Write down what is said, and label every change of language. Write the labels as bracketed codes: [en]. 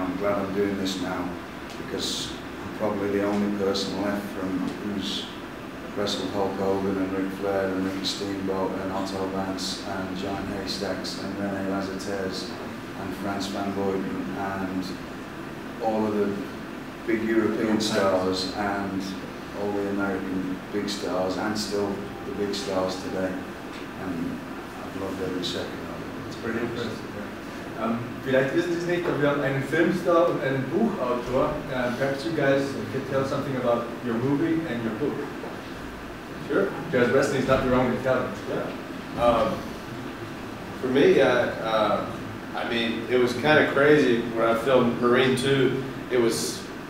[en] I'm glad I'm doing this now, because probably the only person left from who's wrestled Hulk Hogan and Ric Flair and Ricky Steamboat and Otto Vance and Giant Haystacks and René Lasseter and Frans Van Buyden and all of the big European stars and all the American big stars and still the big stars today. And I've loved every second of it. It's pretty impressive. [de] Vielleicht wissen Sie es nicht, aber wir haben einen Filmstar und einen Buchautor. [en] Perhaps you guys can tell something about your movie and your book. Sure. Because wrestling is not your only talent. Yeah. For me, I mean, it was kind of crazy when I filmed Marine 2. It was